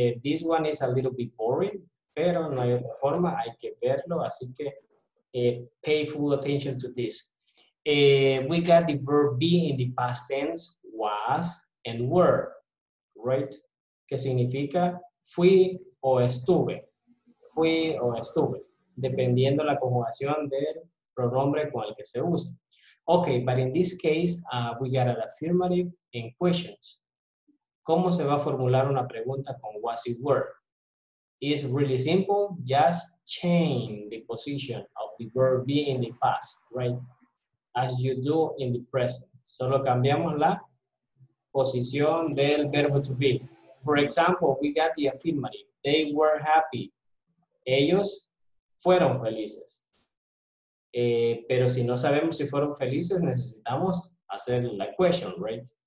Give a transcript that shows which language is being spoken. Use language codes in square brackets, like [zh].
[en] This one is a little bit boring, [es] pero no hay otra forma, hay que verlo, así que [en] pay full attention to this. We got the verb be in the past tense, was and were, right? [es] ¿Qué significa? Fui o estuve. Fui o estuve. Dependiendo la conjugación del pronombre con el que se usa. [en] Okay, but in this case, we got an affirmative in questions. [es] ¿Cómo se va a formular una pregunta con was it were? [en] It's really simple. Just change the position of the verb be in the past, right? As you do in the present. [es] Solo cambiamos la posición del verbo to be. [en] For example, we got the affirmative. They were happy. [es] Ellos fueron felices. Pero si no sabemos si fueron felices, necesitamos hacer la question, right?